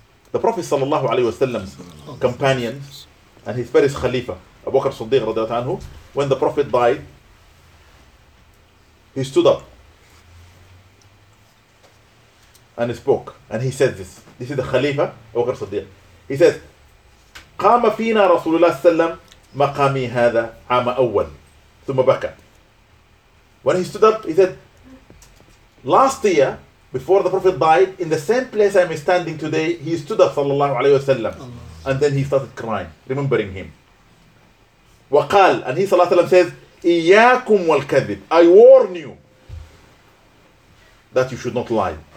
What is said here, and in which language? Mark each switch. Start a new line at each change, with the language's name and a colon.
English: The Prophet sallallahu alaihi wasallam's companions and his first Khalifa, Abu Bakr Siddiq radiallahu anhu, when the Prophet died, he stood up and spoke, and he said this. This is the Khalifa Abu Bakr Siddiq. He says,
Arabic: "قام فينا رسول الله سلم مقامي هذا عام أول ثم بكى."
English: When he stood up, he said, last year, before the Prophet died, in the same place I'm standing today, he stood up, sallallahu alayhi wa sallam. And then he started crying, remembering him. وقال, and he, sallallahu alayhi wa sallam, says,
Arabic: إِيَّاكُمْ وَالْكَذِبِ
English: I warn you that you should not lie.